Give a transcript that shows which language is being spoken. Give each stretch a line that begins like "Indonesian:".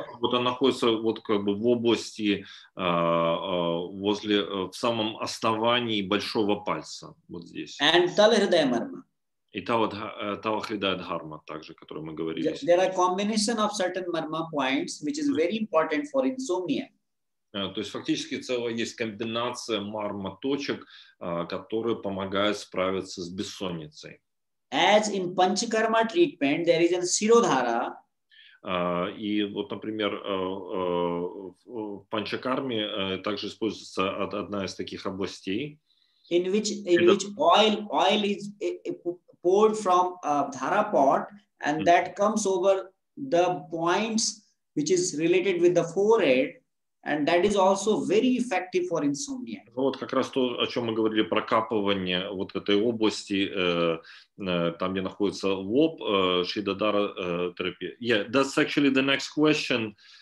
Russian: вот она находится вот как бы в области возле в самом основании большого пальца вот здесь.
English: And talhridaya marma.
Russian: И талхридая дхарма также, о которой мы говорили.
English: There are combination of certain marma points which is very important for insomnia.
Russian: То есть фактически целая есть комбинация марма точек, которые помогают справиться с бессонницей.
English: As in panchakarma treatment, there is a shirodhara.
Russian: И вот, например, в панчакарме также используется одна из таких областей.
English: In which oil is poured from a dhara pot, and that comes over the points which is related with the forehead, And that is also very effective for insomnia.
Russian: Ну, вот как раз то, о чем мы говорили, прокапывание вот этой области, там, где находится лоб, шидадара терапия.
English: Yeah, that's actually the next question.